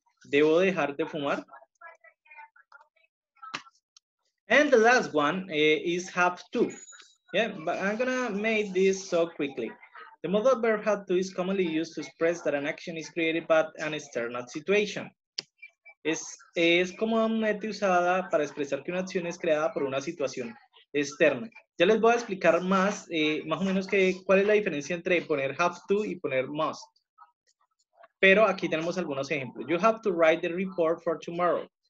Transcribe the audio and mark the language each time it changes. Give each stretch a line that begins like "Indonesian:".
Spanish: ¿Debo dejar de fumar?
English: And the last one is have to. Yeah, but I'm gonna make this so quickly. The modal verb have to is commonly used to express that an action is created by an external situation.
Spanish: Es comúnmente usada para expresar que una acción es creada por una situación externa. Ya les voy a explicar más, más o menos, que, cuál es la diferencia entre poner have to y poner must. Pero aquí tenemos algunos ejemplos.
English: You have to write the report for tomorrow.